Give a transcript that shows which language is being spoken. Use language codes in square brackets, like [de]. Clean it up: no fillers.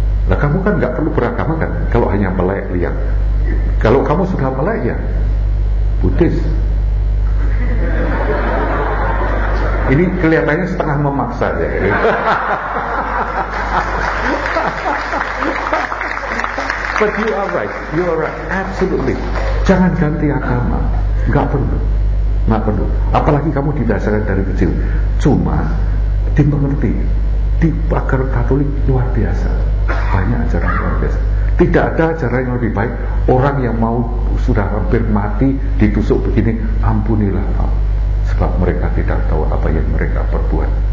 [id] Nah kamu kan enggak perlu beragama kan? Kalau hanya melek, lihat. Kalau kamu sudah melek ya Buddhis. Ini kelihatannya setengah memaksa ya. [en] But you are right, you are right, absolutely. [id] Jangan ganti agama, nggak perlu, nggak perlu. Apalagi kamu didasarkan dari kecil. Cuma dimengerti, di agar Katolik luar biasa, banyak ajaran luar biasa. Tidak ada ajaran yang lebih baik. Orang yang mau sudah hampir mati ditusuk begini, ampunilah. Sebab mereka tidak tahu apa yang mereka perbuat.